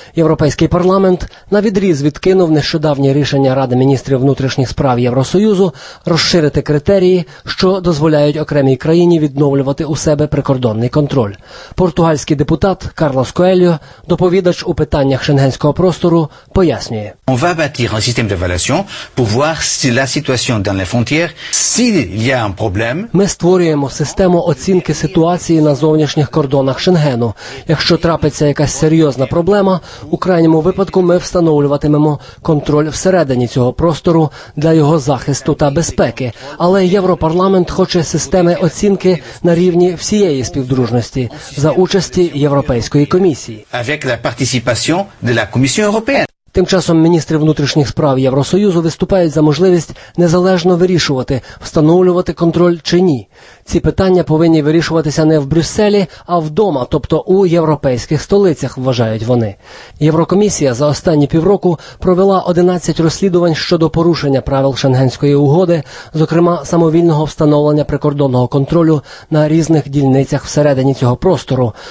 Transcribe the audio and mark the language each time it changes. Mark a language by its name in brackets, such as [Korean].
[Ukrainian] Європейський парламент навідріз відкинув нещодавнє рішення Ради міністрів внутрішніх справ Євросоюзу розширити критерії, що дозволяють окремій країні відновлювати у себе прикордонний контроль. Португальський депутат Карлос Коельо, доповідач у питаннях шенгенського простору, пояснює. [French] On va bâtir un système d'évaluation pour voir si la situation dans les frontières, s'il y a un problème. [Ukrainian] Ми створюємо систему оцінки ситуації на зовнішніх кордонах Шенгену. Якщо трапиться якась серйозна проблема, у крайньому випадку ми встановлюватимемо контроль всередині цього простору для його захисту та безпеки. Але Європарламент хоче системи оцінки на рівні всієї співдружності за участі Європейської комісії. [French] Avec la participation de la Commission européenne. [Ukrainian] Тим часом міністри внутрішніх справ Євросоюзу виступають за можливість незалежно вирішувати, встановлювати контроль чи ні. Ці питання повинні вирішуватися не в Брюсселі, а вдома, тобто у європейських столицях, вважають вони. Єврокомісія за останні півроку провела 11 розслідувань щодо порушення правил Шенгенської угоди, зокрема самовільного встановлення прикордонного контролю на різних дільницях всередині цього простору.